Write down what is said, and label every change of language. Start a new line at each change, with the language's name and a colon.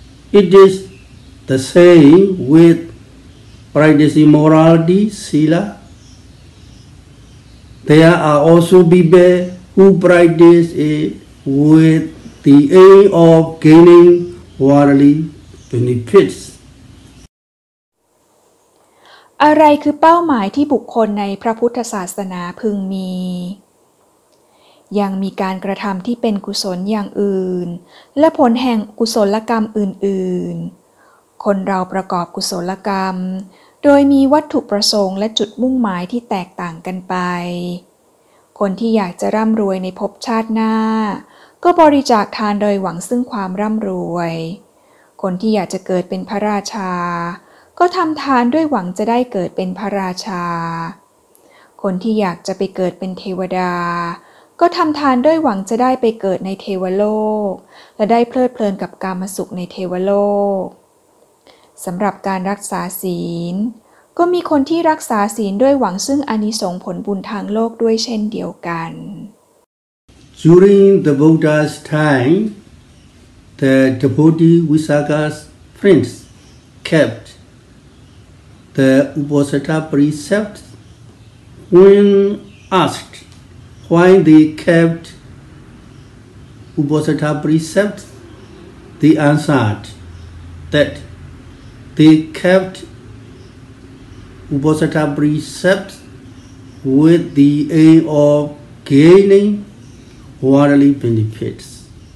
English: It is the same with practicing morality, sila. There are also people. Who practice it with the aim of gaining worldly benefits?
Thai: อะไรคือเป้าหมายที่บุคคลในพระพุทธศาสนาพึงมียังมีการกระทำที่เป็นกุศลอย่างอื่นและผลแห่งกุศลกรรมอื่นๆคนเราประกอบกุศลกรรมโดยมีวัตถุประสงค์และจุดมุ่งหมายที่แตกต่างกันไป คนที่อยากจะร่ำรวยในภพชาติหน้าก็บริจาคทานโดยหวังซึ่งความร่ำรวยคนที่อยากจะเกิดเป็นพระราชาก็ทำทานด้วยหวังจะได้เกิดเป็นพระราชา คนที่อยากจะไปเกิดเป็นเทวดาก็ทำทานด้วยหวังจะได้ไปเกิดในเทวโลกและได้เพลิดเพลินกับกามสุขในเทวโลกสำหรับการรักษาศีลก็มีคนที่รักษาศีลด้วยหวังซึ่งอนิสงส์ผลบุญทางโลกด้วยเช่นเดียวกัน
English: During the Buddha's time, the devotee Visakha's prince kept the Uposatha precept. When asked why they kept Uposatha precept, they answered that they keptUposatha precepts with the aim of gaining worldly benefits.